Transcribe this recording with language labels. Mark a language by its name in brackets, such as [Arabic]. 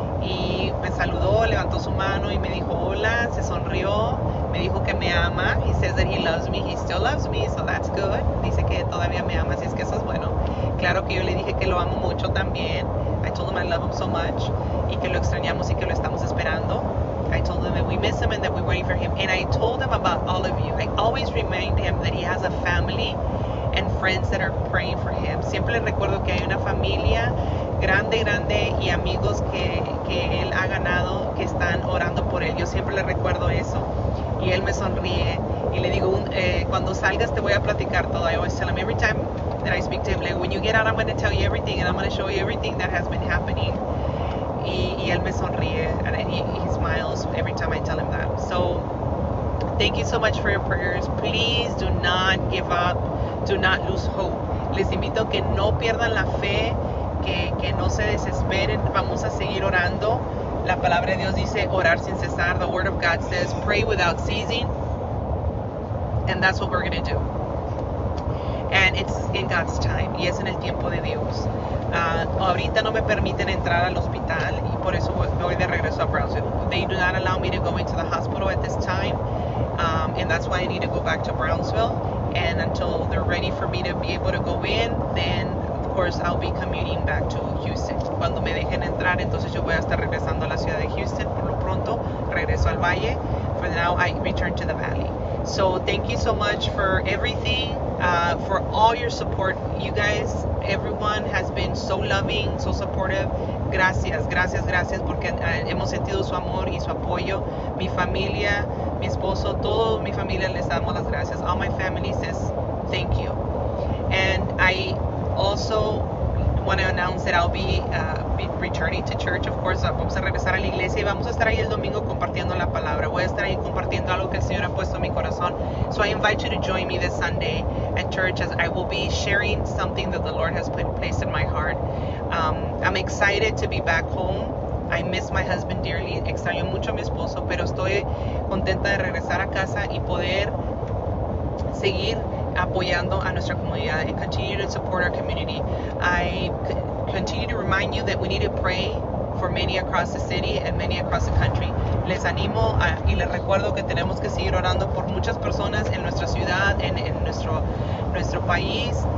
[Spanish] Y me saludó, levantó su mano y me dijo hola, se sonrió, me dijo que me ama. [English] He says that he loves me, he still loves me, so that's good. [Spanish] Dice que todavía me ama, así es que eso es bueno. Claro que yo le dije que lo amo mucho también. [English] I told him I love him so much, [Spanish] y que lo extrañamos y que lo estamos esperando. [English] I told him that we miss him and that we're waiting for him. And I told him about all of you. I always remind him that he has a family and friends that are praying for him. [Spanish] Siempre le recuerdo que hay una familia grande y amigos que él ha ganado, que están orando por él. Yo siempre le recuerdo eso. Y él me sonríe y le digo, cuando salgas te voy a platicar todo. [English] I always tell him every time that I speak to him, like, when you get out, I'm going to tell you everything and I'm going to show you everything that has been happening. [Spanish] Y él me sonríe, [English] and he smiles every time I tell him that. So thank you so much for your prayers. Please do not give up. Do not lose hope. [Spanish] Les invito a que no pierdan la fe, que no se desesperen. Vamos a seguir orando. La palabra de Dios dice orar sin cesar. [English] The word of God says pray without ceasing. And that's what we're going to do. And it's in God's time. [Spanish] Y es en el tiempo de Dios. Ahorita no me permiten entrar al hospital y por eso voy de regreso a Brownsville. [English] They do not allow me to go into the hospital at this time. And that's why I need to go back to Brownsville. And until they're ready for me to be able to go in, then of course, I'll be commuting back to Houston. [Spanish] Cuando me dejen entrar, entonces yo voy a estar regresando a la ciudad de Houston. Por lo pronto, regreso al valle. [English] For now, I return to the valley. So, thank you so much for everything, for all your support. You guys, everyone has been so loving, so supportive. [Spanish] Gracias, porque hemos sentido su amor y su apoyo. Mi familia, mi esposo, toda mi familia les damos las gracias. [English] All my family says thank you. And I also want to announce that I'll be returning to church, of course. [Spanish] Vamos a regresar a la iglesia y vamos a estar ahí el domingo compartiendo la palabra. Voy a estar ahí compartiendo algo que el Señor ha puesto en mi corazón. [English] So I invite you to join me this Sunday at church as I will be sharing something that the Lord has placed in my heart. I'm excited to be back home. I miss my husband dearly. [Spanish] Extraño mucho a mi esposo, pero estoy contenta de regresar a casa y poder seguir apoyando a nuestra comunidad [English] and continue to support our community. I continue to remind you that we need to pray for many across the city and many across the country. [Spanish] Les animo y les recuerdo que tenemos que seguir orando por muchas personas en nuestra ciudad, en nuestro país.